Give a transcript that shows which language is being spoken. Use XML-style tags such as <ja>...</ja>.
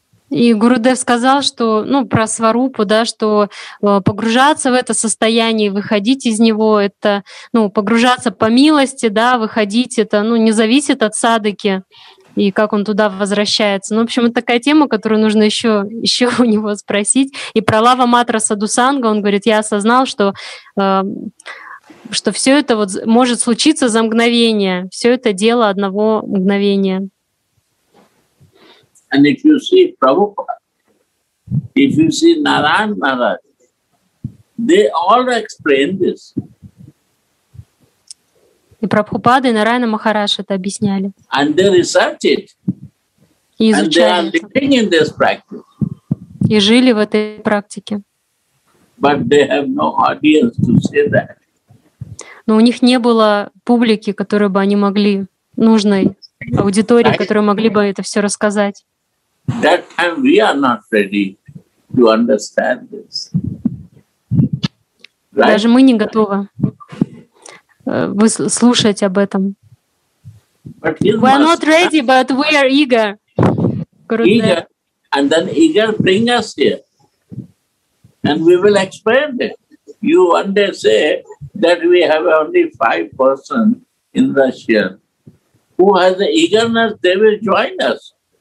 <ru>И Гурудев сказал, что, ну, про сварупу, да, что погружаться в это состояние, выходить из него, это, ну, погружаться по милости, да, выходить, это, ну, не зависит от садыки и как он туда возвращается. Ну, в общем, это такая тема, которую нужно еще у него спросить. И про лава матра садусанга он говорит, я осознал, что все это вот может случиться за мгновение, все это дело одного мгновения.</ru> <en>And if you see Prabhupada, if you see Narayan Maharaj, they all explain this.</en> <ru>И Прабхупада, и Нараяна Махарадж это объясняли.</ru> <en>And they research it.</en> <ru>И изучали.</ru> <en>And they are living in this practice.</en> <ru>И жили в этой практике.</ru> <en>But they have no audience to say that.</en> <ru>Но у них не было публики, которую бы они могли, нужной аудитории, которую могли бы это все рассказать.</ru> <en>That time we are not ready to understand this. Right?</en> <ru>Даже мы не готовы слушать об этом.</ru> <en>We are not ready, but we are eager. Eager, and then eager bring us here, and we will explain it. You one day say that we have only 5% in Russia who has the eagerness, they will join us.</en>